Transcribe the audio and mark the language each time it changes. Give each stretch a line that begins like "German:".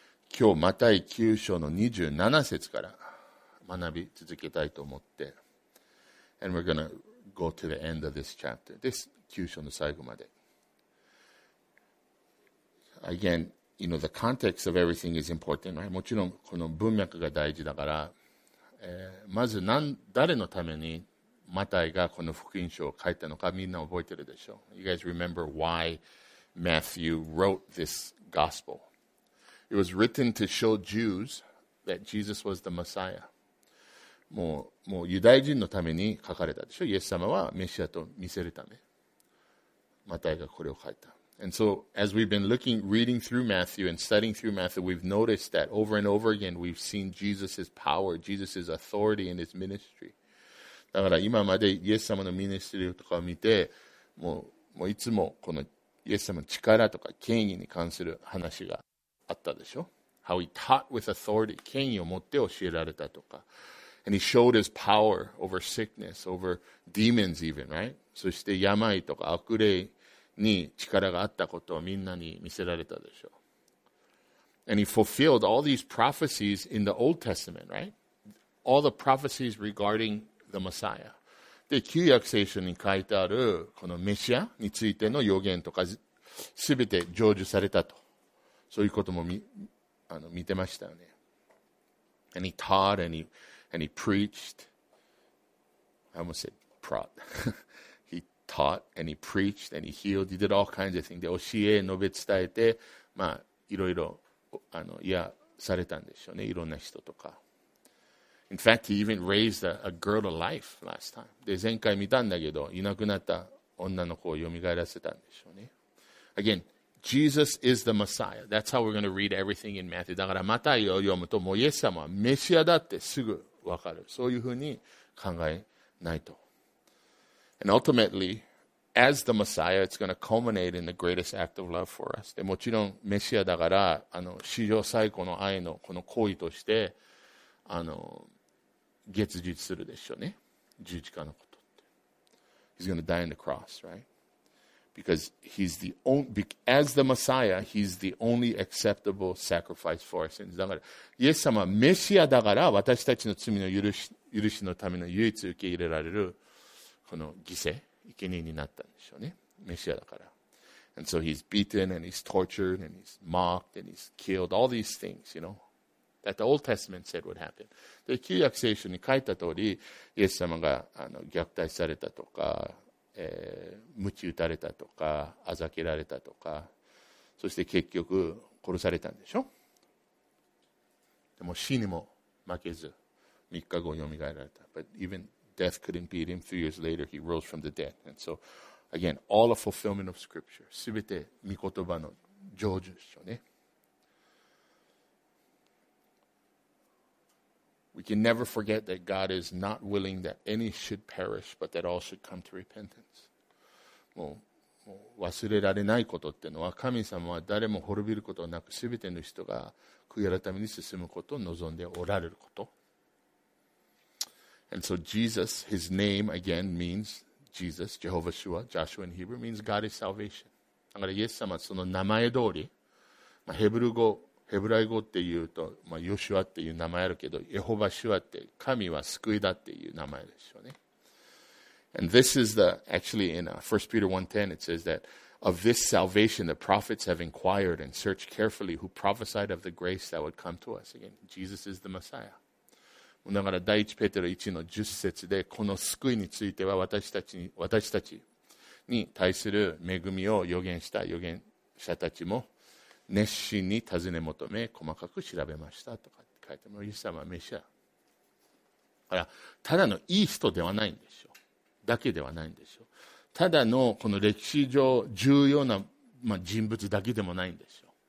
Japanese: 今日、マタイ9章の27節から学び続けたいと思って。
English: And we're going to go to the end of this chapter.
Japanese: This 9章の最後まで。
English: Again, you know, the context of everything is important, right?
Japanese: もちろん、この文脈が大事だから、まず誰のためにマタイがこの福音書を書いたのかみんな覚えてるでしょう。
English: You guys remember why Matthew wrote this gospel? It was written to show Jews that Jesus was the Messiah.
Japanese: もうユダヤ人のために書かれたでしょ。イエス様はメシアと見せるため。マタイがこれを書いた。
English: And so as we've been looking, reading through Matthew and studying through Matthew, we've noticed that over and over again we've seen Jesus' power, Jesus' authority in his ministry.
Japanese: だから今までイエス様のミニストリーとかを見て、もういつもこのイエス様の力とか権威に関する話があったでしょ。
English: How he taught with authority,
Japanese: 権威を持って教えられたとか。
English: And he showed his power over sickness, over demons even, right?
Japanese: そして病とか悪霊に力があったことをみんなに見せられたでしょ。
English: And he fulfilled all these prophecies in the Old Testament, right? All the prophecies regarding... The Messiah.
Japanese: で、旧約聖書に書いてあるこのメシアについての予言とか、すべて成就されたと、そういうことも見てましたよね。
English: And he taught and he preached. I almost said prod. He taught and he preached and he healed. He did all kinds of things. で、
Japanese: 教え、述べ伝えて、まあ、いろいろ、癒されたんでしょうね、いろんな人とか。
English: In fact, he even raised a girl to life last time.
Japanese: で、前回見たんだけど、いなくなった女の子をよみがえらせたんでしょうね。
English: Again, Jesus is the Messiah. That's how we're going to read everything in Matthew.
Japanese: だから、マタイを読むと、もうイエス様はメシアだってすぐわかる。そういうふうに考えないと。
English: And ultimately, as the Messiah, it's going to culminate in the greatest act of love for us.
Japanese: で、もちろんメシアだから、史上最高の愛のこの行為として、月日するでしょうね。十字架のことって。
English: He's going to die on the cross, right? Because he's the only, as the Messiah, he's the only acceptable sacrifice for our sins.
Japanese: だから、イエス様はメシアだから、私たちの罪の許しのための唯一受け入れられる、この犠牲、生贄になったんでしょうね。メシアだから。
English: And so he's beaten and he's tortured and he's mocked and he's killed, all these things, you know. That the Old Testament said would happen.
Japanese: で、旧約聖書に書いた通り、イエス様が虐待されたとか、鞭打たれたとか、あざけられたとか、そして結局殺されたんでしょ。でも死にも負けず、3日後よみがえられた。
English: But even death couldn't beat him. 3 years later, he rose from the dead. And so, again, all a fulfillment of Scripture.
Japanese: すべて御言葉の成就でしょうね。
English: We can never forget that God is not willing that any should perish, but that all should come to repentance.
Japanese: もう忘れられないことってのは、神様は誰も滅びることなく、すべての人が悔い改めに進むことを望んでおられること。
English: And so Jesus, his name again means Jesus, Jehovah Shua, Joshua in Hebrew, means God is salvation.
Japanese: だからイエス様その名前通り、まあ、ヘブライ語っていうと、まあ、ヨシュアっていう名前あるけど、エホバシュアって神は救いだっていう名前ですよね。
English: And this is the, actually in 1 Peter 1:10 it says that of this salvation the prophets have inquired and searched carefully who prophesied of the grace that would come to us. Again, Jesus is the Messiah.
Japanese: だから第1ペテロ1の10節でこの救いについては私たちに対する恵みを予言者たちも熱心に尋ね求め細かく調べましたとかって書いてもイエス様はメシアだからただのいい人ではないんでしょうだけではないんでしょうただのこの歴史上重要な、まあ、人物だけでもないんでしょう